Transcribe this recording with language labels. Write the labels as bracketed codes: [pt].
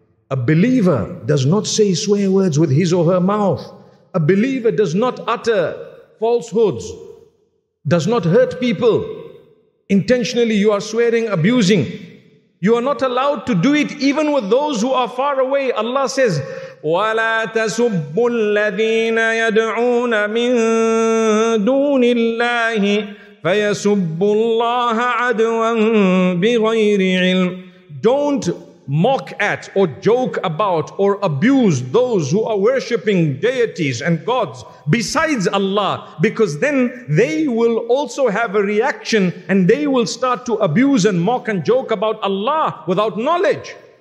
[en] A believer does not say swear words with his or her mouth. A believer does not utter falsehoods, does not hurt people. Intentionally, you are swearing, abusing. You are not allowed to do it even with those who are far away. Allah says, [ar] وَلَا تَسُبُّ الَّذِينَ يَدْعُونَ مِن دُونِ اللَّهِ فَيَسُبُّ اللَّهَ عَدْوًا بِغَيْرِ عِلْمٍ. [en] Don't mock at or joke about or abuse those who are worshipping deities and gods besides Allah, because then they will also have a reaction and they will start to abuse and mock and joke about Allah without knowledge.